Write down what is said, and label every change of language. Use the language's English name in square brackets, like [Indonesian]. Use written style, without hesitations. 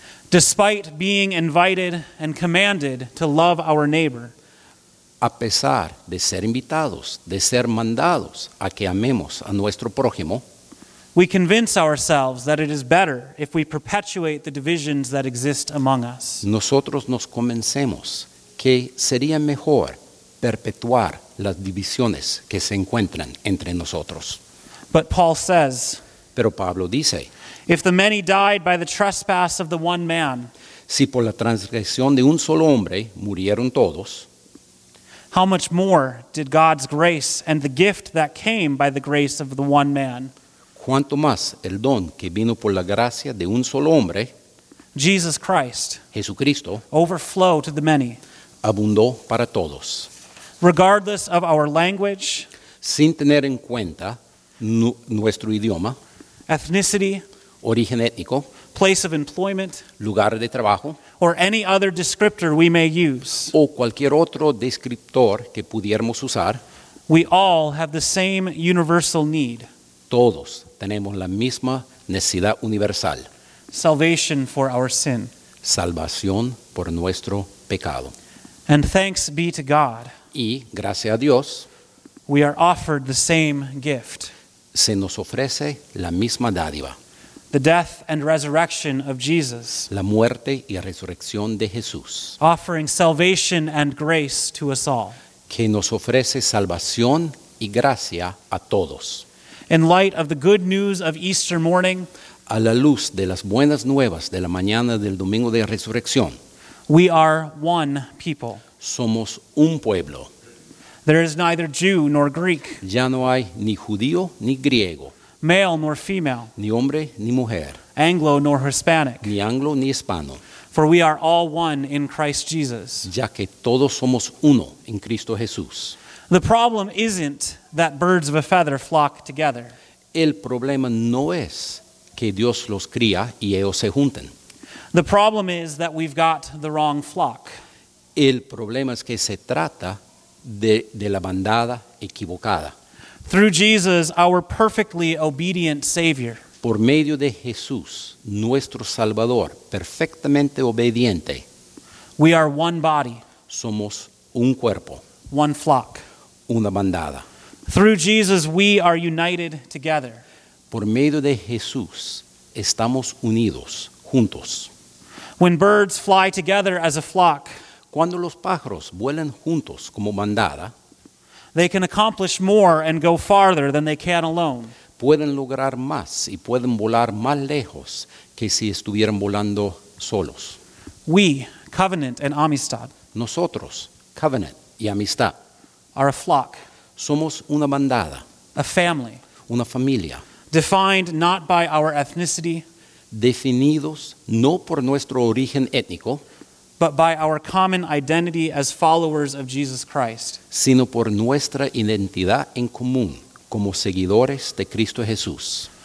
[English] Despite being invited and commanded to love our neighbor, [Spanish] a pesar de ser invitados, de ser mandados a que amemos a nuestro prójimo, [English] we convince ourselves that it is better if we perpetuate the divisions that exist among us. [Spanish] Nosotros nos convencemos que sería mejor perpetuar las divisiones que se encuentran entre nosotros. [English] But Paul says, [Spanish] pero Pablo dice, [English] if the many died by the trespass of the one man, [Spanish] si por la transgresión de un solo hombre murieron todos, [English] how much more did God's grace and the gift that came by the grace of the one man, [Spanish] cuanto más el don que vino por la gracia de un solo hombre, [English] Jesus Christ, [Spanish] Jesucristo, [English] overflow to the many, [Spanish] abundó para todos. [English] Regardless of our language, [Spanish] sin tener en cuenta nuestro idioma, [English] ethnicity, [Spanish] origen étnico, [English] place of employment, [Spanish] lugar de trabajo, [English] or any other descriptor we may use, [Spanish] o cualquier otro descriptor que pudiéramos usar, [English] we all have the same universal need. [Spanish] Todos tenemos la misma necesidad universal. [English] Salvation for our sin. [Spanish] Salvación por nuestro pecado. [English] And thanks be to God. [Spanish] Y gracias a Dios, [English] we are offered the same gift. [Spanish] Se nos ofrece la misma dádiva. [English] The death and resurrection of Jesus. [Spanish] La muerte y resurrección de Jesús. [English] Offering salvation and grace to us all. [Spanish] Que nos ofrece salvación y gracia a todos. [English] In light of the good news of Easter morning, [Spanish] a la luz de las buenas nuevas de la mañana del domingo de resurrección, [English] we are one people. [Spanish] Somos un pueblo. [English] There is neither Jew nor Greek. [Spanish] Ya no hay ni judío ni griego. [English] Male nor female. [Spanish] Ni hombre ni mujer. [English] Anglo nor Hispanic. [Spanish] Ni anglo ni hispano. [English] For we are all one in Christ Jesus. [Spanish] Ya que todos somos uno en Cristo Jesús. [English] The problem isn't that birds of a feather flock together. [Spanish] El problema no es que Dios los cría y ellos se junten. [English] The problem is that we've got the wrong flock. [Spanish] El problema es que se trata de la bandada equivocada. [English] Through Jesus, our perfectly obedient Savior. [Spanish] Por medio de Jesús, nuestro Salvador, perfectamente obediente. [English] We are one body. [Spanish] Somos un cuerpo. [English] One flock. [Spanish] Una bandada. [English] Through Jesus, we are united together. [Spanish] Por medio de Jesús, estamos unidos, juntos. [English] When birds fly together as a flock, [Spanish] cuando los pájaros vuelan juntos como bandada, [English] they can accomplish more and go farther than they can alone. [Spanish] Pueden lograr más y pueden volar más lejos que si estuvieran volando solos. [English] We, Covenant and Amistad, [Spanish] nosotros, Covenant y Amistad, [English] are a flock. [Spanish] Somos una bandada. [English] A family. [Spanish] Una familia. [English] Defined not by our ethnicity, [Spanish] definidos no por nuestro origen étnico, [English] but by our common identity as followers of Jesus Christ. [Spanish] Sino por nuestra identidad en común como seguidores de Cristo Jesús.